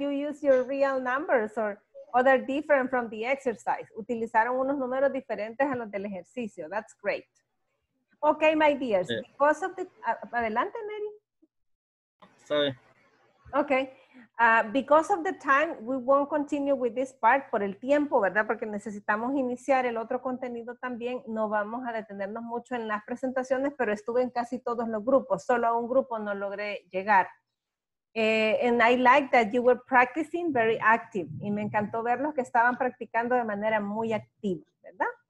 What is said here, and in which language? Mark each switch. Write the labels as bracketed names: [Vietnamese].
[English] You use your real numbers or other different from the exercise. [Spanish] Utilizaron unos números diferentes a los del ejercicio. [English] That's great. Okay, my dears. Yeah. Because of the adelante, Mary. Sorry. Okay. Because of the time, we won't continue with this part [Spanish] por el tiempo, ¿verdad? Porque necesitamos iniciar el otro contenido también. No vamos a detenernos mucho en las presentaciones, pero estuve en casi todos los grupos. Solo a un grupo no logré llegar. [English] And I like that you were practicing very active. [Spanish] Y me encantó verlos que estaban practicando de manera muy activa, ¿verdad?